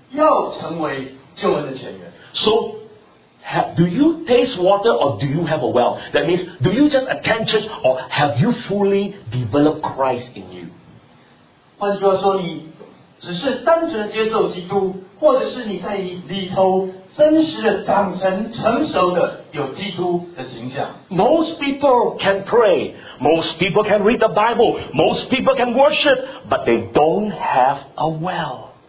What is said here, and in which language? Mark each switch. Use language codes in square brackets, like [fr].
[zh] 可是从基督教的角度来讲，你要成为救恩的泉源。 [en] So, do you taste water or do you have a well? That means, do you just attend church or have you fully developed Christ in you? [zh] 换句话说，你 只是单纯接受基督，或者是你在里头真实的长成成熟的有基督的形象。 [en] Most people can pray, most people can read the Bible, most people can worship, but they don't have a well.